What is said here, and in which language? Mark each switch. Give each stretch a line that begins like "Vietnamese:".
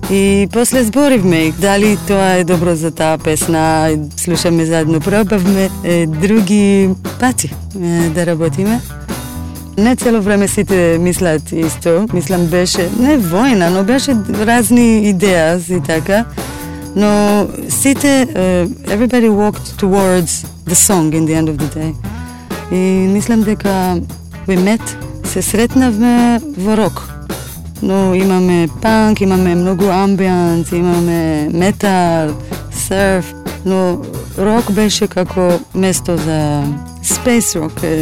Macedonian: И после зборивме дали тоа е добро за таа песна, слушаме заедно, пробавме други пати да работиме. Не цело време сите мислат исто, мислам беше, не војна, но беше разни идеја и така.
English: No,
Macedonian: сите,
English: everybody walked towards the song in the end of the day.
Macedonian: И мислам дека
English: we met,
Macedonian: се сретнавме во рок. Но имаме панк, имаме многу амбиант, имаме метал, серф. Но рок беше како место за space rock.